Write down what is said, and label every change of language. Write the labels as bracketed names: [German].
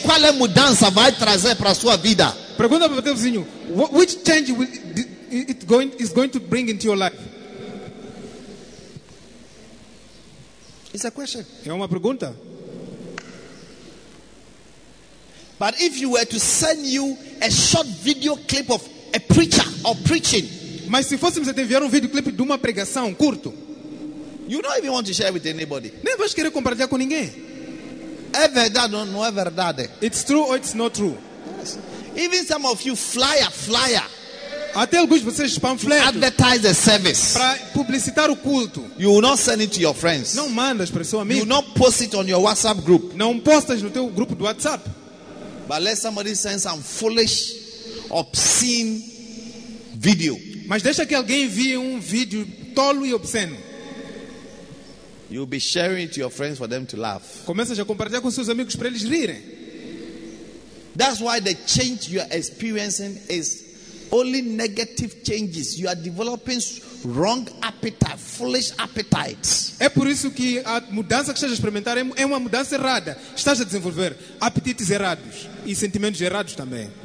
[Portuguese] Qual é mudança vai trazer para sua vida? Pergunta para o teu vizinho, [English] which change is going to bring into your life? It's a question. [Portuguese] É uma pergunta. [English] But if you were to send you a short video clip of a preacher or preaching, [Portuguese] mas se fôssemos a te enviar video clip de uma pregação curto. [English] You don't even want to share with anybody. [Portuguese] Nem vais querer compartilhar com ninguém. É verdade ou não é verdade? [English] It's true or it's not true. Yes. Even some of you flyer. [Portuguese] Até alguns vocês panfletos. [English] Advertise the service. [Portuguese] Para publicitar o culto. [English] You will not send it to your friends. [Portuguese] Não mandas para seu amigo. [English] You will not post it on your WhatsApp group. [Portuguese] Não postas no teu grupo do WhatsApp. [English] But let somebody send some foolish, obscene video. [Portuguese] Mas deixa que alguém envie vídeo tolo e obsceno. [English] You'll be sharing it to your friends for them to laugh. [Portuguese] Começa a compartilhar com seus amigos para eles rirem. [English] That's why the change you are experiencing is only negative changes. You are developing wrong appetite, foolish appetites. [Portuguese] É por isso que a mudança que estás a experimentar é uma mudança errada. Estás a desenvolver apetites errados e sentimentos errados também.